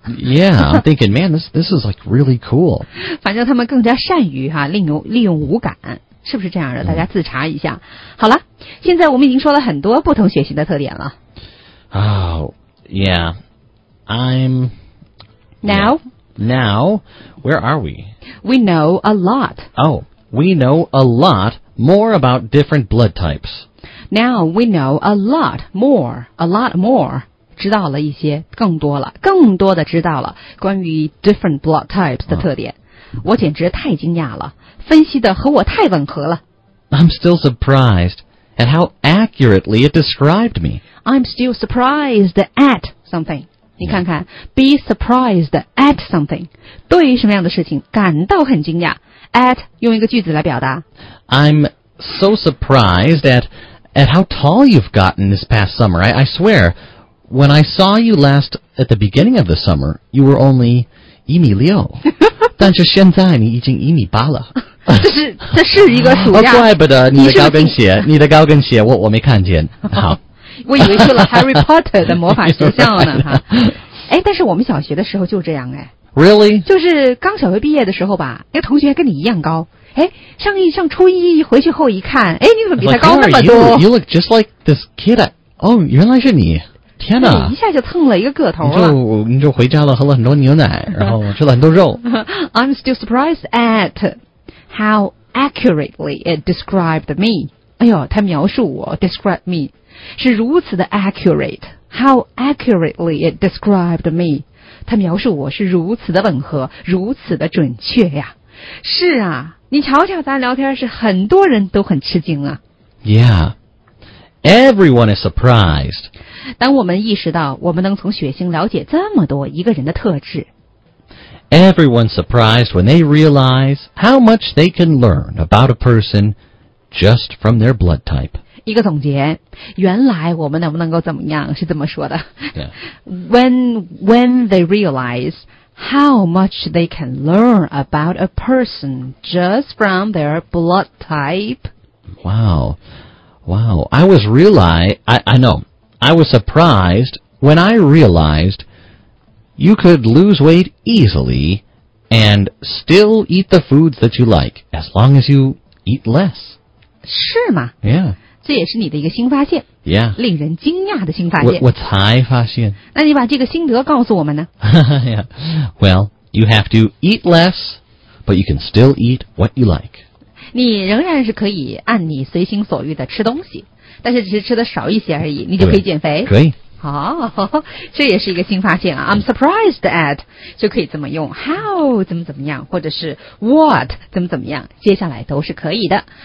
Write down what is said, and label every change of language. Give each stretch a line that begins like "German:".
English: ？Yeah, I'm thinking, man, this is like really cool.
Chinese: 反正他们更加善于哈、啊、利用五感。是不是这样的？大家自查一下。好了，现在我们已经说了很多不同学习的特点了。
English: Oh, yeah. I'm... Now? Yeah. Now, where are we? We know a lot. Oh, we know a lot more about different blood types. Now, we know a lot more.
Chinese: 知道了一些更多了，更多的知道了关于 different blood types 的特点。我简直太惊讶了。分析的和我太吻合了。
English: I'm still surprised at how accurately it described me. I'm still surprised at something.
Chinese: 你看看、
English: yeah. be surprised at something.
Chinese: 对于什么样的事情感到很惊讶。 at 用一个句子来表达。
English: I'm so surprised at how tall you've gotten this past summer. I swear, when I saw you last at the beginning of the summer, you were only
Chinese: 一米六。但是现在你已经一米八了。这是一个暑假。哦、怪不得你的高跟鞋，你的高跟鞋我没看见。好，我以为去了 Harry Potter 的魔法学校呢。哎，但是我们小学的时候就这样哎。
English: Really？
Chinese: 就是刚小学毕业的时候吧，那个同学跟你一样高。哎，上初一回去后一看，哎，你怎么比他高那么多
English: ？You look just like this kid. 哦、oh, ，
Chinese: 原来是你。天哪！一下就蹭了一个个头了。你就回家了，喝了很多牛奶，然后吃了很多肉。
English: I'm still surprised at how accurately it described me.
Chinese: 哎呦，他描述我 ，describe me 是如此的 accurate.
English: How accurately it described me.
Chinese: 他描述我是如此的吻合，如此的准确呀。是啊，你瞧瞧，咱聊天是很多人都很吃惊啊。
English: Yeah. Everyone is surprised.
Chinese: 当我们意识到我们能从血型了解这么多一个人的特质。
English: Everyone's surprised when they realize how much they can learn about a person just from their blood type.
Chinese: 一个总结，原来我们能不能够怎么样是这么说的。
English: Yeah. When they realize how much they can learn about a person just from their blood type. Wow. Wow, I was surprised when I realized you could lose weight easily and still eat the foods that you like, as long as you eat less.
Chinese: 是吗?
English: Yeah.
Chinese: 这也是你的一个新发现。
English: Yeah.
Chinese: 令人惊讶的新发现。我才发现。那你把这个心得告诉我们呢?
English: Yeah. Well, you have to eat less, but you can still eat what you like.
Chinese: 你仍然是可以按你随心所欲的吃东西，但是只是吃的少一些而已，你就可以减肥。可以。哦，这也是一个新发现啊。
English: I'm surprised at
Chinese: 就可以怎么用 how 怎么怎么样，或者是 what 怎么怎么样，接下来都是可以的。